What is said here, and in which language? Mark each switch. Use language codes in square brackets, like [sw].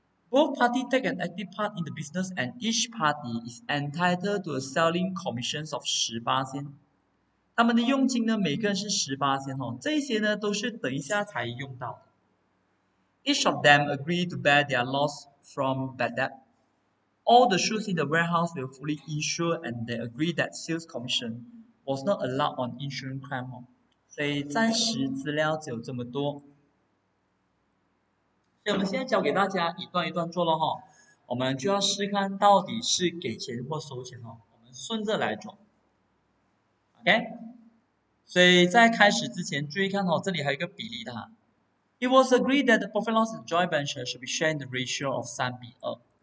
[en] Both party take an active part in the business and each party is entitled to a selling commissions of 18%。 [zh] 他们的佣金呢，每个人是18%哦，这些呢都是等一下才用到的。 [en] Each of them agree to bear their loss from bad debt. All the shoes in the warehouse were fully insured, and they agree that sales commission was not allowed on insurance claim 哦。 [zh] 所以暂时资料只有这么多。所以我们现在教给大家一段一段做了哈，我们就要试看到底是给钱或收钱哦，我们顺着来做。 OK。所以在开始之前，注意看哦，这里还有一个比例的哈。 [en] It was agreed that the profit loss and joint venture should be shared in the ratio of 3:2。